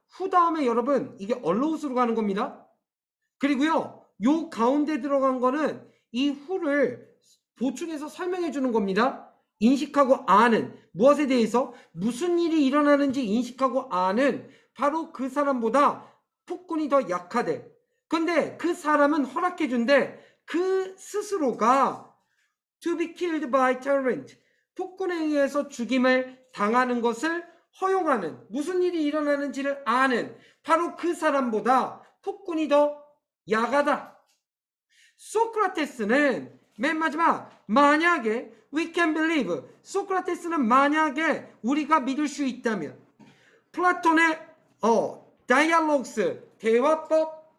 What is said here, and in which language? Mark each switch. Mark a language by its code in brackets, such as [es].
[ko] 후 다음에 여러분, 이게 allows로 가는 겁니다. 그리고요, 요 가운데 들어간 거는 이 후를 보충해서 설명해 주는 겁니다. 인식하고 아는, 무엇에 대해서, 무슨 일이 일어나는지 인식하고 아는 바로 그 사람보다 폭군이 더 약하대. 근데 그 사람은 허락해 준대. 그 스스로가 [en] to be killed by tyrant. [ko] 폭군에 의해서 죽임을 당하는 것을 허용하는, 무슨 일이 일어나는지를 아는 바로 그 사람보다 폭군이 더 야가다. 소크라테스는 맨 마지막, 만약에 [en] we can believe, [ko] 소크라테스는 만약에 우리가 믿을 수 있다면, 플라톤의 다이알로그스, 대화법.